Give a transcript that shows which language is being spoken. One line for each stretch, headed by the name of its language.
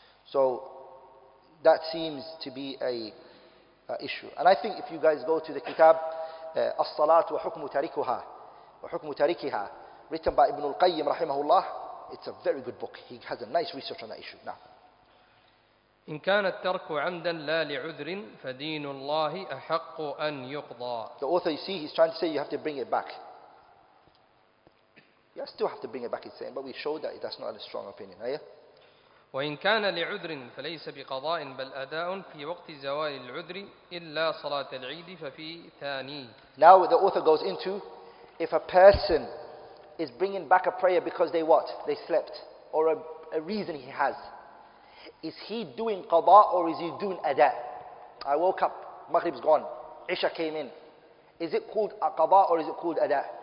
English: So that seems to be a issue. And I think if you guys go to the kitab As-Salatu wa Hukmu Tarikiha, written by Ibn al-Qayyim rahimahullah, it's a very good book. He has a nice research on that issue. Now,
Arabic: إن كان الترك عمدا لا لعذر فدين الله أحق أن يقضى.
English: The author, you see, he's trying to say you have to bring it back. You still have to bring it back, he's saying, but we showed that that's not a strong opinion. Aye?
Arabic: وإن كان لعذر فليس بقضاء بل أداء في وقت زوال العذر إلا صلاة العيد ففي ثاني.
English: Now the author goes into, if a person is bringing back a prayer because they what? They slept, or a reason he has. Is he doing qada or is he doing ada? I woke up, Maghrib's gone, Isha came in. Is it called a qada or is it called ada?